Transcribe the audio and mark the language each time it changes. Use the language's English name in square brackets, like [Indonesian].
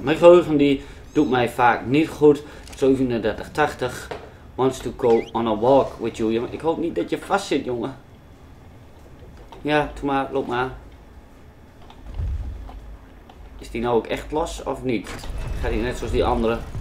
[Dutch] Mijn geheugen die doet mij vaak niet goed. 3780. [English] Wants to go on a walk with you. [Dutch] Ik hoop niet dat je vast zit, jongen. Ja, doe maar. Loop maar. Is die nou ook echt los of niet? Gaat die net zoals die andere?